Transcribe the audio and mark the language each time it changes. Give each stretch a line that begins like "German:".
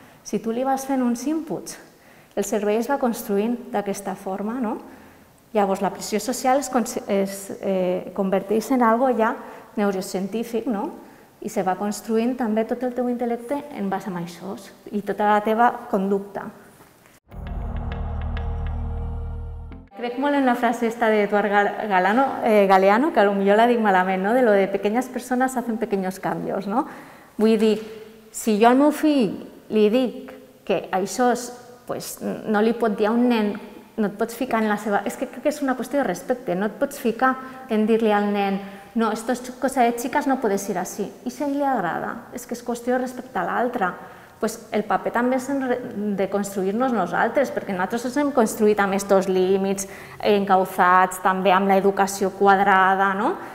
Catalan: Si tu li vas fent uns inputs, el cervell es va construint d'aquesta forma, no? Llavors, la pressió social es converteix en algo ja neurocientífic, no? I se va construint també tot el teu intel·lecte en base a això i tota la teva conducta. Crec molt en la frase esta de Eduard Galeano, que potser la dic malament, no?
Spanish: De lo de pequeñas personas hacen pequeños cambios,
Catalan: no? Vull dir, si jo al meu fill li dic que això és, pues, no li pot dir a un nen, no et pots ficar en la seva... És que crec que és una qüestió de respecte, no et pots ficar en dir-li al nen, no,
Spanish: esto es cosa de chicas, no puedes ir así.
Catalan: I si a ell li agrada, és que és qüestió de respecte a l'altre. Pues el paper també és de construir-nos nosaltres, perquè nosaltres ens hem construït amb aquests límits, encauzats, també amb l'educació quadrada, no?